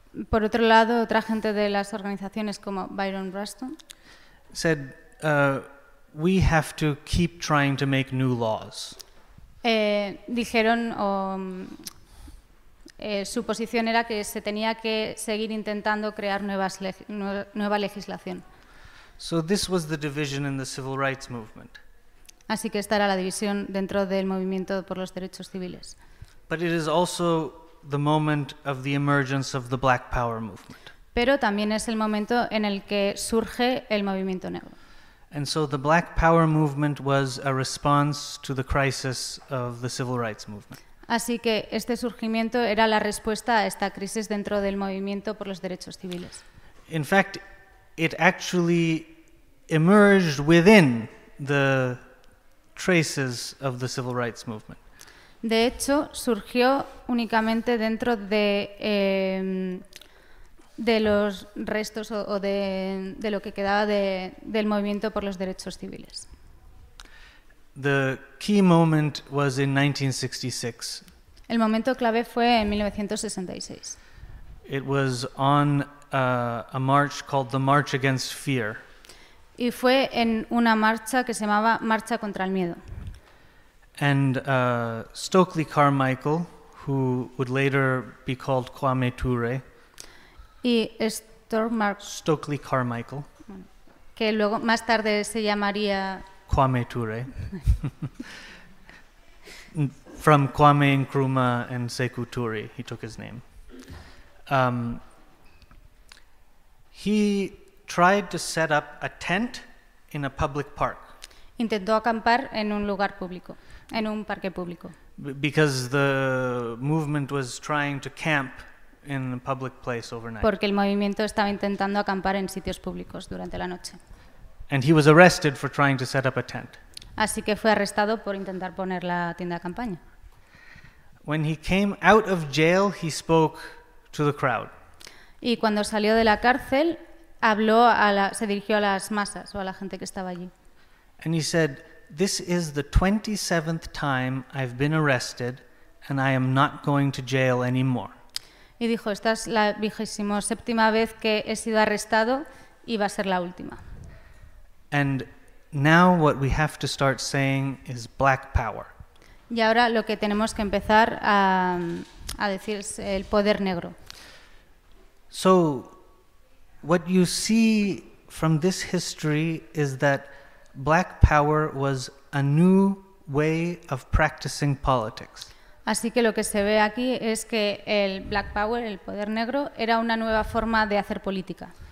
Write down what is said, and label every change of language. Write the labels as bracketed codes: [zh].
[es] Por otro lado, otra gente de las organizaciones como Byron Rustin [en] said, "We have to keep trying to make new laws." [es] Dijeron o su posición era que se tenía que seguir intentando crear nueva legislación. [en] So this was the division in the civil rights movement. [es] Así que esta era la división dentro del movimiento por los derechos civiles. [en] But it is also the moment of the emergence of the Black Power movement. [es] Pero también es el momento en el que surge el movimiento negro. [en] And so the Black Power movement was a response to the crisis of the civil rights movement. [es] Así que este surgimiento era la respuesta a esta crisis dentro del movimiento por los derechos civiles. [en] In fact, it actually emerged within the traces of the civil rights movement. [es] De hecho, surgió únicamente dentro de los restos o de lo que quedaba del movimiento por los derechos civiles. [en] The key moment was in 1966. [es] El momento clave fue en 1966. [en] It was on a march called the March Against Fear. [es] Y fue en una marcha que se llamaba Marcha contra el Miedo. [en] And Stokely Carmichael, who would later be called Kwame Ture. [es] Y Stokely Carmichael. Que luego más tarde se llamaría Kwame Ture. [en] From Kwame Nkrumah and Sekou Toure, he took his name. He tried to set up a tent in a public park. [es] Intentó acampar en un lugar público, en un parque público. [en] Because the movement was trying to camp in a public place overnight. [es] Porque el movimiento estaba intentando acampar en sitios públicos durante la noche. [en] And he was arrested for trying to set up a tent. [es] Así que fue arrestado por intentar poner la tienda de campaña. [en] When he came out of jail, he spoke to the crowd. [es] Y cuando salió de la cárcel, se dirigió a las masas o a la gente que estaba allí. [en] And he said, "This is the 27th time I've been arrested and I am not going to jail anymore." [es] Y dijo, "Esta es la 27ª vez que he sido arrestado y va a ser la última." [en] And now what we have to start saying is black power. [es] Y ahora lo que tenemos que empezar a decir es el poder negro. [en] So what you see from this history is that black power was a new way of practicing politics. [es] Así que lo que se ve aquí es que el black power, el poder negro, era una nueva forma de hacer política.